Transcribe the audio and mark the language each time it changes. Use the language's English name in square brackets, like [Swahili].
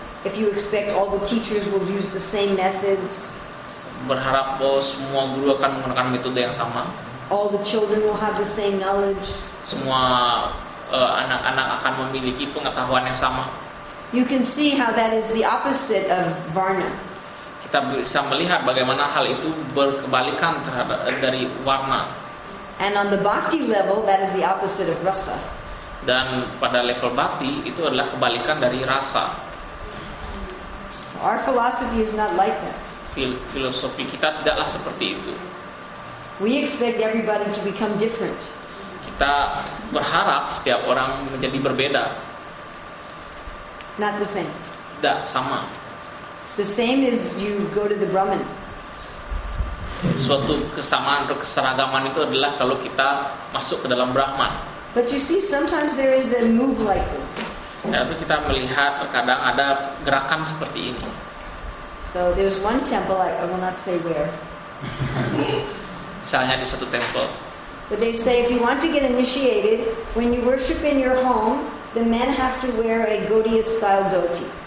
[English] If you expect all the teachers will use the same methods. [Indonesian] Berharap bahwa semua guru akan menggunakan metode yang sama. [English] All the children will have the same knowledge. [Indonesian] Semua anak-anak akan memiliki pengetahuan yang sama. [English] You can see how that is the opposite of Varna. [Indonesian] Kita bisa melihat bagaimana hal itu berkebalikan dari Varna. [English] And on the Bhakti level, that is the opposite of Rasa. [Indonesian] Dan pada level Bhakti, itu adalah kebalikan dari Rasa. [English] Our philosophy is not like that. [Indonesian] Filosofi kita tidaklah seperti itu. [English] We expect everybody to become different. [Indonesian] Kita berharap setiap orang menjadi berbeda. [English] Not the same. [Indonesian] Tidak sama. [English] The same is you go to the Brahman. [Indonesian] Suatu kesamaan atau keseragaman itu adalah kalau kita masuk ke dalam Brahman. [English] But you see, sometimes there is a move like this. [Indonesian] Tapi kita melihat terkadang ada gerakan seperti ini. [English] So there's one temple I will not say where. [Indonesian] Misalnya di suatu temple. [English] But they say if you want to get initiated, when you worship in your home, the men have to wear a Gaudiya style dhoti.